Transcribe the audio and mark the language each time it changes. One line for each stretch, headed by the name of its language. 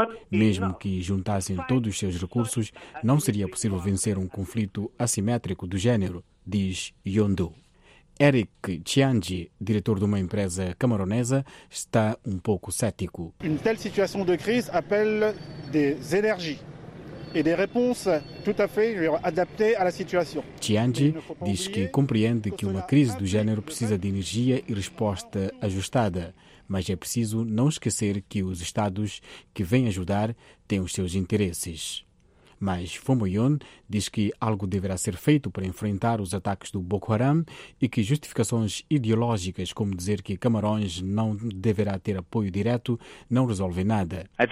Portuguese: Mesmo que juntassem todos os seus recursos, não seria possível vencer um conflito assimétrico do gênero, diz Yondu. Eric Tianji, diretor de uma empresa camaronesa, está um pouco cético.
French: Une telle situation de crise appelle des énergies et des réponses tout à fait adaptées à la situation.
Portuguese: Tianji diz que compreende que uma crise do género precisa de energia e resposta ajustada, mas é preciso não esquecer que os estados que vêm ajudar têm os seus interesses. Mas Fomoyon diz que algo deverá ser feito para enfrentar os ataques do Boko Haram e que justificações ideológicas, como dizer que Camarões não deverá ter apoio direto, não resolvem nada.